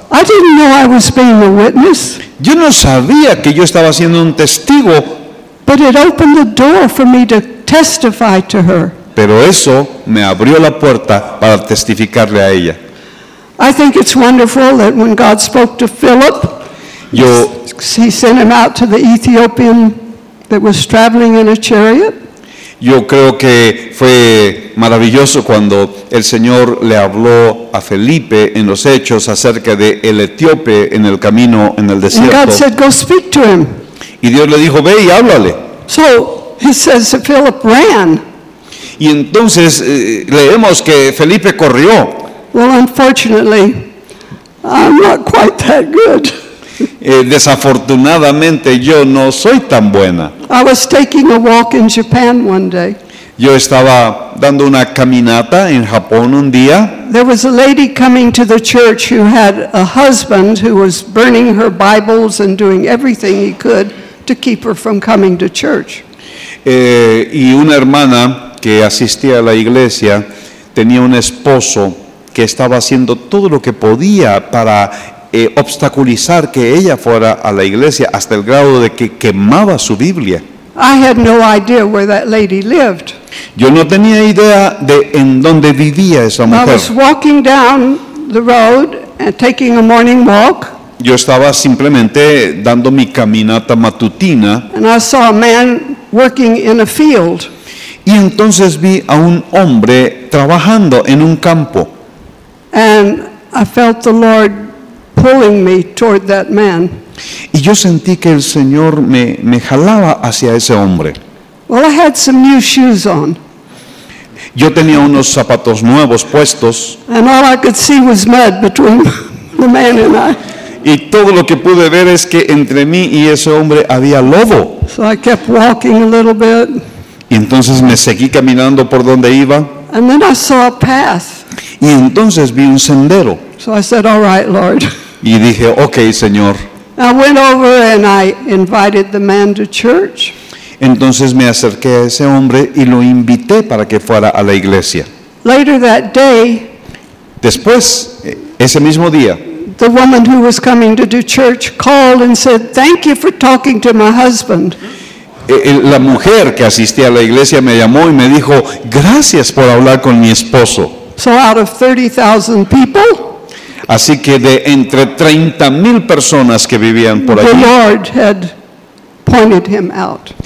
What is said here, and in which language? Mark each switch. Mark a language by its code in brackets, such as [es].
[en] I didn't know I was being a witness. [es] Yo no sabía que yo estaba siendo un testigo. [en] But it opened the door for me to testify to her. [es] Pero eso me abrió la puerta para testificarle a ella. [en] I think it's wonderful that when God spoke to Philip, he sent him out to the Ethiopian that was traveling in a chariot. [es] Yo creo que fue maravilloso cuando el Señor le habló a Felipe en los hechos acerca de el etíope en el camino en el desierto. [en] And God said, "Go speak to him." [es] Y Dios le dijo, "Ve y háblale." [en] So he says that Philip ran. [es] Y entonces leemos que Felipe corrió. [en] Well, unfortunately, I'm not quite that good. [es] Desafortunadamente, yo no soy tan buena. [en] I was taking a walk in Japan one day. [es] Yo estaba dando una caminata en Japón un día. [en] There was a lady coming to the church who had a husband who was burning her Bibles and doing everything he could to keep her from coming to church. [es] Y una hermana que asistía a la iglesia tenía un esposo que estaba haciendo todo lo que podía para obstaculizar que ella fuera a la iglesia hasta el grado de que quemaba su Biblia. [en] I had no idea where that lady lived. [es] Yo no tenía idea de en dónde vivía esa mujer. [en] I was walking down the road and taking a morning walk. [es] Yo estaba simplemente dando mi caminata matutina. [en] And I saw a man working in a field. [es] Y entonces vi a un hombre trabajando en un campo. [en] And I felt the Lord pulling me toward that man. [es] Y yo sentí que el Señor me jalaba hacia ese hombre. [en] Well, I had some new shoes on. [es] Yo tenía unos zapatos nuevos puestos. [en] And all I could see was mud between the man and I. [es] Y todo lo que pude ver es que entre mí y ese hombre había lodo. [en] So I kept walking a little bit. [es] Y entonces me seguí caminando por donde iba. [en] And then I saw a path. [es] Y entonces vi un sendero. [en] So I said, "All right, Lord." [es] Y dije, "Okay, Señor." [en] I went over and I invited the man to church. [es] Entonces me acerqué a ese hombre y lo invité para que fuera a la iglesia. [en] Later that day, [es] después, ese mismo día, [en] the woman who was coming to do church called and said, "Thank you for talking to my husband." [es] La mujer que asistía a la iglesia me llamó y me dijo, "Gracias por hablar con mi esposo." [en] So out of 30,000 people, [es] así que de entre 30,000 personas que vivían por allí, [en] the Lord had pointed him out.